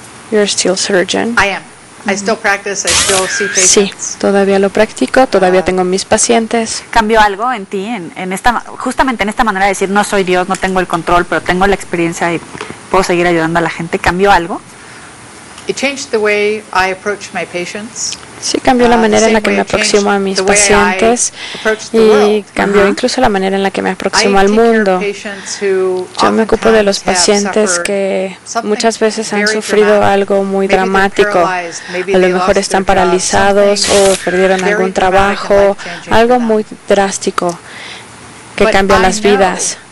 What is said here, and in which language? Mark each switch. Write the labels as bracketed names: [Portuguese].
[English] You're still surgeon. I am. I still practice. I still see patients. [Spanish] Sí, todavía lo practico. Todavía tengo mis pacientes. ¿Cambió algo en ti en esta manera de decir no soy Dios, no tengo el control, pero tengo la experiencia y puedo seguir ayudando a la gente? ¿Cambió algo? [English] It changed the way I approach my patients. [Spanish] Sí, cambió la manera en la que me aproximo a mis pacientes y cambió incluso la manera en la que me aproximo al mundo. Yo me ocupo de los pacientes que muchas veces han sufrido algo muy dramático. A lo mejor están paralizados o perdieron algún trabajo, algo muy drástico que cambia las vidas.